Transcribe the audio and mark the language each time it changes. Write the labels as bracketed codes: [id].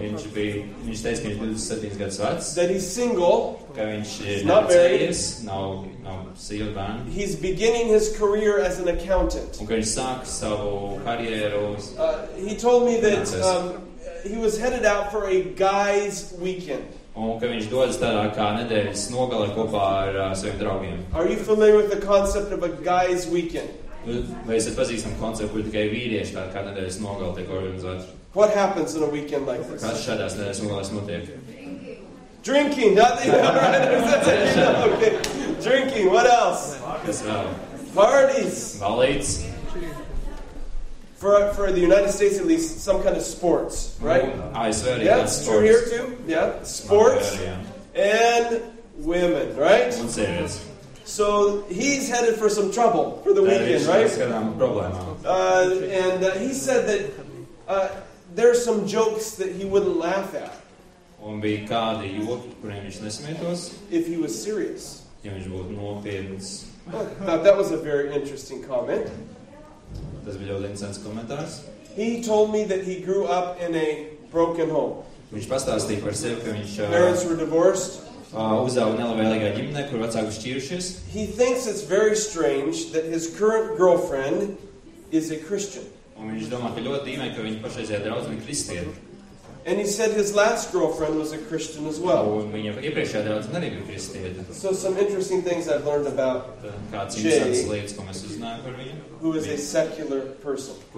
[en] That he's single. Not married. He's beginning his career as an accountant. He told me that he was headed out for a guy's weekend. [lv] Un ka viņš dodas tādā kā nedēļas nogalē kopā ar saviem draugiem. [en] Are you familiar with the concept of a guy's weekend? [lv] Vai esat pazīstams koncepts, kur tikai vīrieši tādā kā nedēļas nogalē tiek organizēts? [en] What happens in a weekend like this? [lv] Kas šādās nedēļas nogalēs notiek? [en] Drinking, not the drinking, what else? [lv] Kas vēl? [en] Parties. [lv] Balīts. [en] For the United States, at least, some kind of sports, right? I swear, yeah, it's true here, too. Yeah, sports and women, right? So he's headed for some trouble for the weekend, right? And he said that there are some jokes that he wouldn't laugh at. If he was serious. I thought that was a very interesting comment. [lv] Tas bija ļoti interesants komentārs. [en] He told me that he grew up in a broken home. [lv] Viņš pastāstīja par sevi, ka viņš [en] parents were divorced. [lv] Uzauga nelabvēlīgā ģimenē, kur vecāki šķīrušies. [en] He thinks it's very strange that his current girlfriend is a Christian. [lv] Un viņš domā, ka ļoti dīvaini, ka viņa pašreizējā draudzene ir kristiete. [en] And he said his last girlfriend was a Christian as well. So some interesting things I've learned about Jay, who is a secular person.